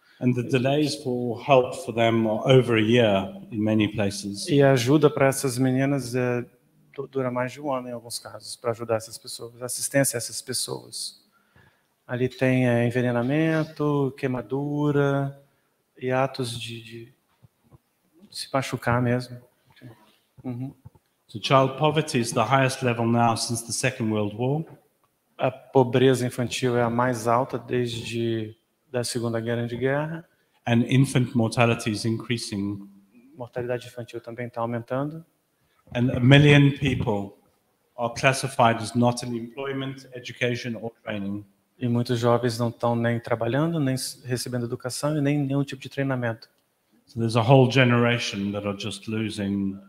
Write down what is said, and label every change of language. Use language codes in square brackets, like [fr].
[en] And the delays for help for them are over a year in many places. [pt] E a ajuda para essas meninas dura mais de um ano em alguns casos para ajudar essas pessoas, assistência a essas pessoas. Ali tem envenenamento, queimadura e atos de se machucar mesmo. [en] So child poverty is the highest level now since the Second World War. [pt] A pobreza infantil é a mais alta desde da Segunda Guerra de Guerra. [en] And infant mortality is increasing. [pt] Mortalidade infantil também está aumentando. [en] And 1 million people are classified as not in employment, education or training. [pt] E muitos jovens não estão nem trabalhando, nem recebendo educação e nem nenhum tipo de treinamento. [en] So there's a whole generation that are just losing.